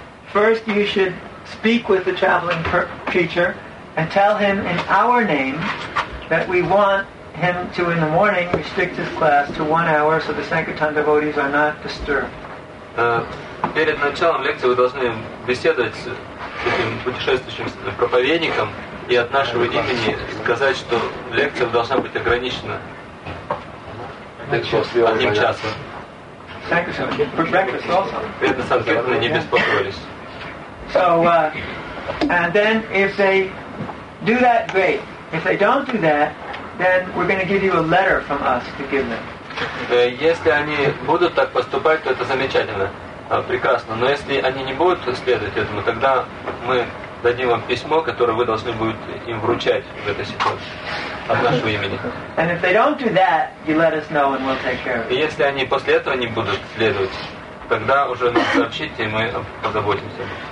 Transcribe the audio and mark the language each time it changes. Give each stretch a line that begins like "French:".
English: First, you should speak with the traveling teacher and tell him in our name that we want him to, in the morning, restrict his class to 1 hour so the Sankirtan devotees are not disturbed.
Russian: Перед началом лекции вы должны беседовать с этим путешествующим проповедником и от нашего имени сказать, что лекция должна быть ограничена одним часом. Перед Санкиртаной не беспокоились.
English: So, and then if they do that, great. If they don't do that, then we're going to give you a letter from us to give them.
Russian: Если они будут так поступать, то это замечательно. Прекрасно. Но если они не будут следовать этому, тогда мы дадим вам письмо, которое вы должны будете им вручать в этой ситуации от нашего имени.
English: And if they don't do that, you let us know and we'll take care of it.
Russian: И если они после этого не будут следовать, тогда уже нам сообщите, и мы позаботимся.